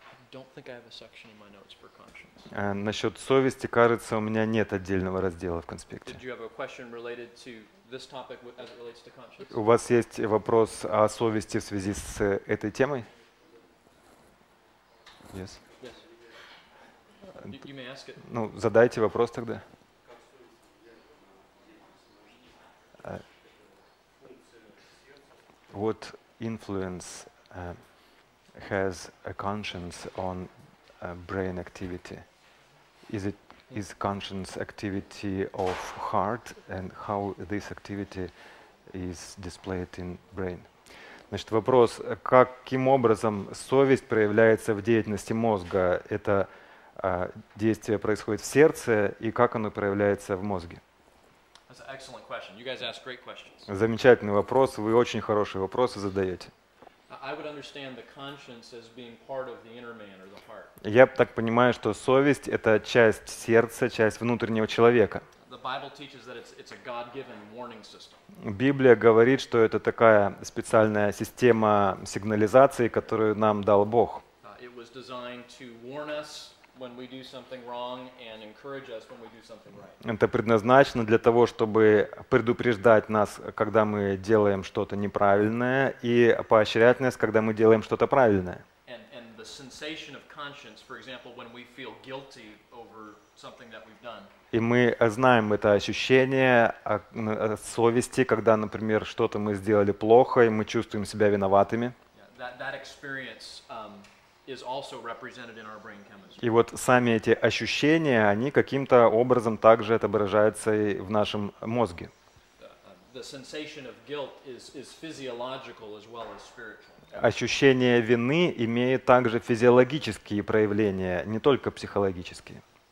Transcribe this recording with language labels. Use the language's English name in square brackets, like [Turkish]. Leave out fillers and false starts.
[English] Don't think I have a section in my notes for conscience. [Russian] Насчет совести, кажется, у меня нет отдельного раздела в конспекте. [English] Did you have a question related to this topic as it relates to conscience? [Russian] У вас есть вопрос о совести в связи с этой темой? [English] Yes. Yes. You may ask it. [Russian] Ну, задайте вопрос тогда. [English] What influence has a conscience on brain activity? Is conscience activity of heart, and how this activity is displayed in brain? [Russian] Значит, вопрос, каким образом совесть проявляется в деятельности мозга? Это действие происходит в сердце, и как оно проявляется в мозге? [English] Excellent question. You guys ask great questions. [Russian] Замечательный вопрос. Вы очень хорошие вопросы задаете. [English] I would understand the conscience as being part of the inner man or the heart. [Russian] Я так понимаю, что совесть — это часть сердца, часть внутреннего человека. [English] The Bible teaches that it's a God-given warning system. [Russian] Библия говорит, что это такая специальная система сигнализации, которую нам дал Бог. [English] It was designed to warn us when we do something wrong and encourage us when we do something right. [Russian] Это предназначено для того, чтобы предупреждать нас, когда мы делаем что-то неправильное, и поощрять нас, когда мы делаем что-то правильное. [English] And the sensation of conscience, for example, when we feel guilty over something that we've done. [Russian] И мы знаем это ощущение совести, когда, например, что-то мы сделали плохо, и мы чувствуем себя виноватыми. [English] That experience is also represented in our brain chemistry. [Russian] И вот сами эти ощущения, они каким-то образом также отображаются и в нашем мозге. [English] The sensation of guilt is physiological as well as spiritual. [Russian] Ощущение вины имеет также физиологические проявления, не только психологические.